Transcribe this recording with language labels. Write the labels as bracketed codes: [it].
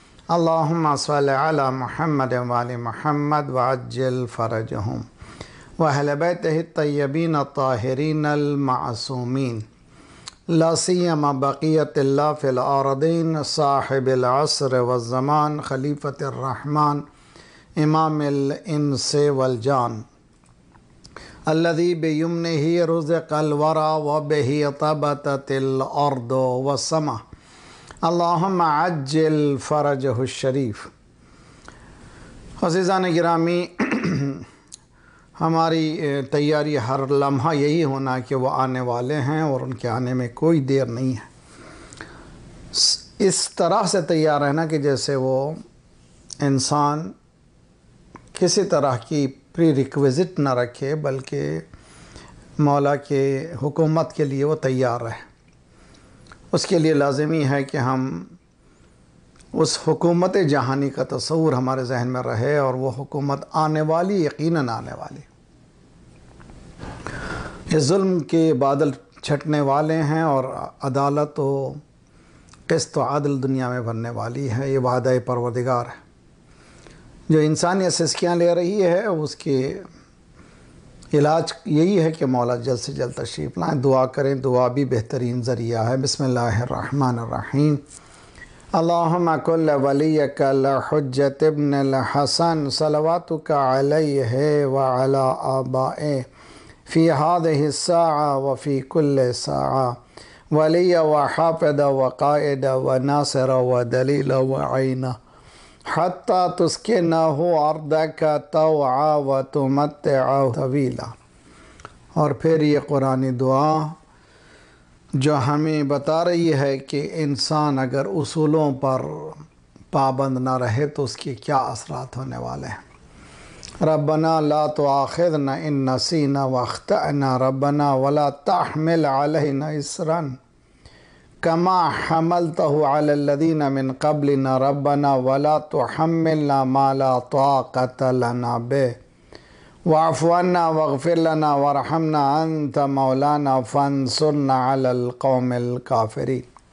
[ar] اللهم صل على محمد وآل محمد وعجل فرجهم وأهل بيته الطيبين الطاهرين المعصومين، لا سيما بقية الله في الأرضين، صاحب العصر والزمان، خليفة الرحمن، إمام الإنس والجان، الذي بيمنه رزق الورى وبه طبتت الأرض والسماء. اللهم عجل فرجه الشريف. [ur] عزيزان گرامی، ہماری تیاری ہر لمحہ یہی ہونا کہ وہ آنے والے ہیں اور ان کے آنے میں کوئی دیر نہیں ہے. اس طرح سے تیار رہنا کہ جیسے وہ انسان کسی طرح کی پری ریکویزٹ نہ رکھے، بلکہ مولا کے حکومت کے لیے وہ تیار رہے. اس کے لیے لازمی ہے کہ ہم اس حکومت جہانی کا تصور ہمارے ذہن میں رہے، اور وہ حکومت آنے والی، یقیناً آنے والی. یہ ظلم کے بادل چھٹنے والے ہیں اور عدالت و قسط و عدل دنیا میں بننے والی ہے. یہ وعدہ پروردگار ہے جو انسانیت سسکیاں لے رہی ہے. اس کے علاج یہی ہے کہ مولا جلد سے جلد تشریف لائیں، دعا کریں. دعا بھی بہترین ذریعہ ہے. [ar] بسم اللہ الرحمن الرحیم. اللهم كل وليك لحجة ابن الحسن صلواتك عليه وعلى آبائه في هذه الساعة وفي كل ساعة، ولي وحافظ وقائد وناصر ودليل وعين، حتى تسكنه أرضك طوعا وتمتعه طويلا. [ur] اور پھر یہ قرآن دعا جو ہمیں بتا رہی ہے کہ انسان اگر اصولوں پر پابند نہ رہے تو اس کے کیا اثرات ہونے والے ہیں. [ar] ربنا لا تؤاخذنا ان نسینا واخطأنا، ربنا ولا تحمل علينا اسرا كما حملته على الذين من قبلنا، ربنا ولا تحملنا ما لا طاقة لنا به، واعف عنا واغفر لنا وارحمنا، انت مولانا فانصرنا على القوم الكافرين.